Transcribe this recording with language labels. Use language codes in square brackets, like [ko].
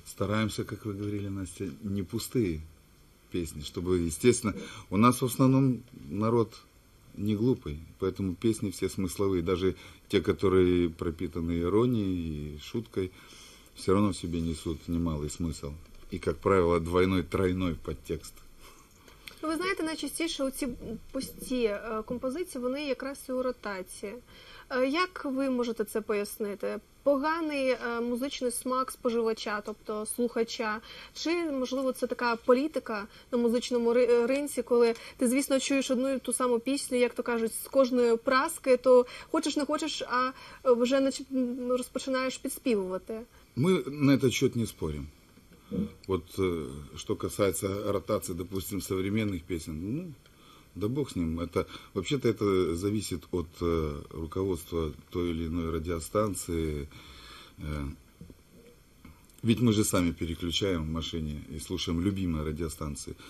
[ru] Стараемся, как вы говорили, Настя, не пустые песни, чтобы, естественно, у нас в основном народ не глупый, поэтому песни все смысловые, даже те, которые пропитаны иронией и шуткой, все равно в себе несут немалый смысл. И, как правило, двойной, тройной подтекст. [uk] Ви знаєте, найчастіше оці пусті композиції, вони якраз і у ротації. Як ви можете це пояснити? Поганий музичний смак споживача, тобто слухача, чи, можливо, це така політика на музичному ринці, коли ти, звісно, чуєш одну і ту саму пісню, як то кажуть, з кожної праски, то хочеш не хочеш, а вже розпочинаєш підспівувати? Ми на цей счет не споримо. [ru] Вот что касается ротации, допустим, современных песен, ну, да бог с ним. Это, вообще-то это зависит от руководства той или иной радиостанции. Ведь мы же сами переключаем в машине и слушаем любимые радиостанции.